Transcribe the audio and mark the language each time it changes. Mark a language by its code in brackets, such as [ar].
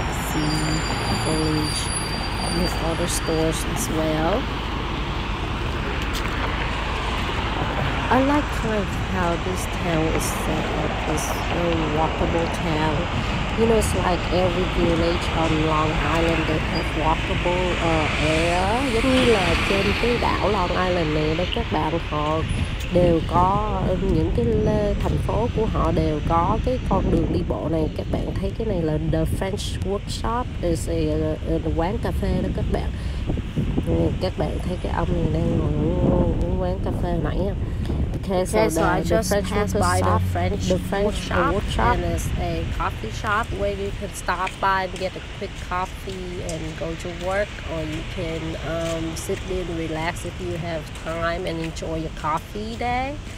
[en] See, foliage. And there's other stores as well. I like kind of how this town is set up, this very walkable town. You know, it's like every village on Long Island, they have walkable area. [vi] Giống như là trên cái đảo Long Island này đó các bạn, họ đều có những cái thành phố của họ đều có cái con đường đi bộ này. Các bạn thấy cái này là The French Workshop, [en] is a [vi] quán cà phê đó các bạn. Các bạn thấy cái ông này đang ngồi uống quán cà phê nãy không? [en] Okay, so, I just passed by the French workshop, and it's a coffee shop where you can stop by and get a quick coffee and go to work, or you can sit there and relax if you have time and enjoy your coffee day.